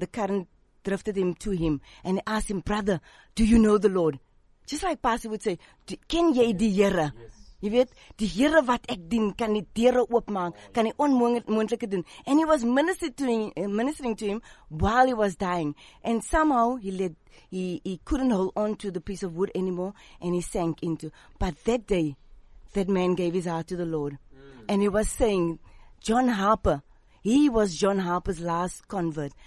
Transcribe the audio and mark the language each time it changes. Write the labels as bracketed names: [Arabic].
[English] The current drifted him to him and asked him, "Brother, do you know the Lord?" Just like Pastor would say, [Afrikaans] "Ken jy die Here?" You weet, "Die Here wat ek dien, kan die deure oopmaak, kan die onmoontlike doen." [English] And he was ministering to him while he was dying. And somehow he couldn't hold on to the piece of wood anymore, and he sank into. But that day, that man gave his heart to the Lord. And he was saying, John Harper, he was John Harper's last convert.